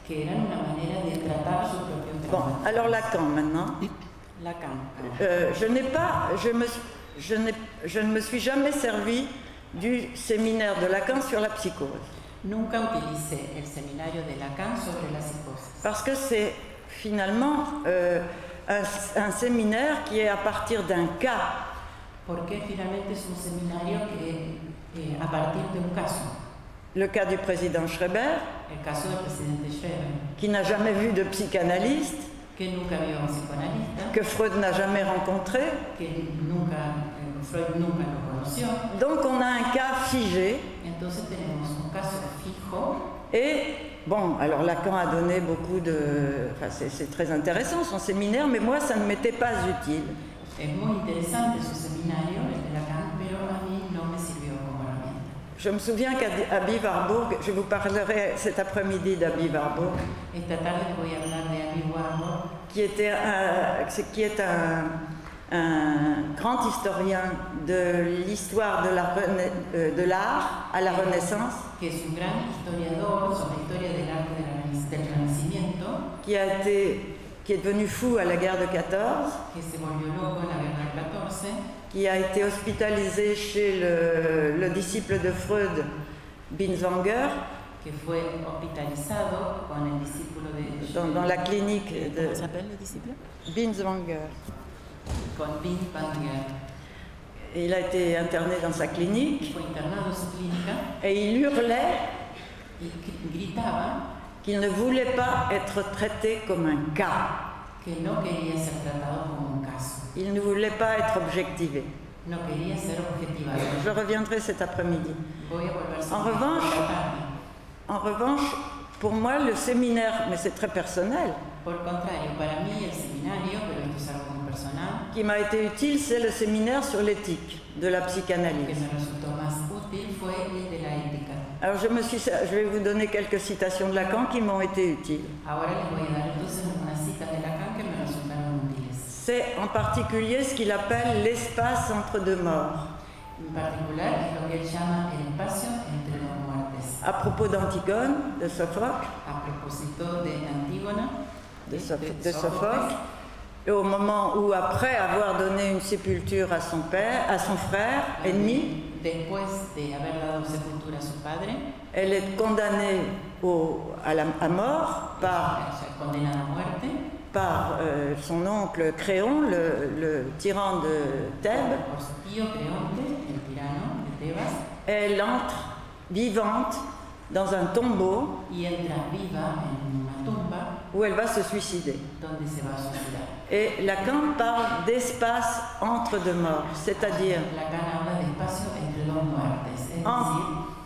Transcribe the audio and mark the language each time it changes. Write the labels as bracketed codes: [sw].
[es] Que era una manera de tratar sus propios traumatismos. [fr] Bon, alors Lacan maintenant. Lacan. Je ne me suis jamais servi du séminaire de Lacan sur la psychose. [es] Nunca utilicé el seminario de Lacan sobre la psicosis. [fr] Parce que c'est finalement un séminaire qui est à partir d'un cas. [es] Porque finalmente es un seminario que es a partir de un caso. [fr] Le cas du président Schreber. [es] El caso del presidente Schreber. [fr] Qui n'a jamais vu de psychanalyste. [es] Que nunca vio un psicoanalista. [fr] Que Freud n'a jamais rencontré. [es] Que nunca Freud nunca lo conoció. [fr] Donc on a un cas figé. [es] Entonces tenemos un caso fijo. [fr] Et bon, alors Lacan a donné beaucoup de... Enfin, c'est très intéressant son séminaire, mais moi, ça ne m'était pas utile. [es] es muy interesante su seminario, el de Lacan, pero a mí no me sirvió como herramienta. [fr] Je me souviens qu'Abby Warburg, je vous parlerai cet après-midi d'Abby Warburg, [es] esta tarde voy a hablar de Abby Warburg, [fr] qui est un grand historien de l'histoire de l'art à la Renaissance, [es] que es un gran historiador sobre la historia del arte de la, del Renacimiento, [fr] qui est devenu fou à la guerre de 14, [es] que se volvió loco en la guerra de 14, [fr] qui a été hospitalisé chez le disciple de Freud, Binswanger, [es] que fue hospitalizado con el discípulo de [fr] dans la clinique de... Comment s'appelle le disciple? Binswanger. [es] Con Binswanger. [fr] Et il a été interné dans sa clinique. [es] Fue internado en su clínica. [fr] Et il hurlait, [es] y gritaba, [fr] qu'il ne voulait pas être traité comme un cas. [es] Que no quería ser tratado como un caso. [fr] Il ne voulait pas être objectivé. [es] No quería ser objetivado. [fr] Je reviendrai cet après-midi. [es] Voy a volver [fr] en revanche, pour moi, le séminaire, mais c'est très personnel, [es] por contrario, para mí, el seminario, pero esto es algo personal, [fr] qui m'a été utile, c'est le séminaire sur l'éthique de la psychanalyse. [es] Que me resultó más útil fue el de la ética. [fr] Alors je vais vous donner quelques citations de Lacan qui m'ont été utiles. [es] Ahora les voy a dar entonces una cita de Lacan que me resultaron útiles. [fr] C'est en particulier ce qu'il appelle l'espace entre deux morts. [es] En particular es lo que él llama el espacio entre dos muertes. [fr] À propos d'Antigone de Sófocle. [es] A propósito de Antígona de Sófocle. [fr] Et au moment où, après avoir donné une sépulture à son père, à son frère ennemi, [es] después de haber dado sepultura a su padre, [fr] elle est condamnée à mort par, [es] condenada a muerte, [fr] par son oncle Créon, le tyran de Thèbes. [es] Por su tío Creonte, el tirano de Tebas. [fr] Elle entre vivante dans un tombeau, [es] y entra viva en una tumba, [fr] où elle va se suicider. [es] Donde se va a suicidar. [fr] Et Lacan parle d'espace entre deux morts, c'est-à-dire... [es] Lacan habla de espacio entre dos muertes, es decir...